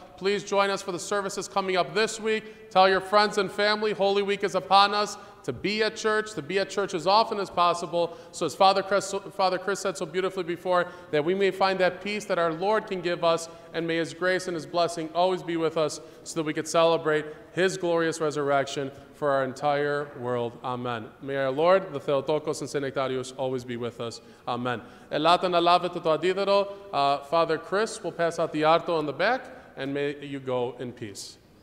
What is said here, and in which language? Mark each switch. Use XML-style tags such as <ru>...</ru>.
<en>Please join us for the services coming up this week. Tell your friends and family, Holy Week is upon us, to be at church, to be at church as often as possible, so as Father Chris said so beautifully before, that we may find that peace that our Lord can give us, and may His grace and His blessing always be with us, so that we could celebrate His glorious resurrection for our entire world. Amen. May our Lord, the Theotokos and St. Nectarios, always be with us. Amen.</en> <el>Ελάτε να λάβετε το αντίδωρο.</el> <en>Father Chris will pass out the άρτο on the back, and may you go in peace.</en>